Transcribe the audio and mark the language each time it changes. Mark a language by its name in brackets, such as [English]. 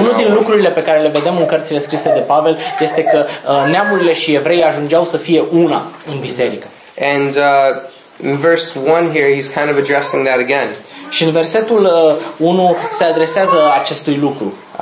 [Romanian] unul din lucrurile pe care le vedem în cărțile scrise de Pavel este că neamurile și evrei ajungeau să fie una în biserică. [English] And in verse 1 here he's kind of addressing that again. [Romanian] Și în versetul 1 se adresează acestui lucru.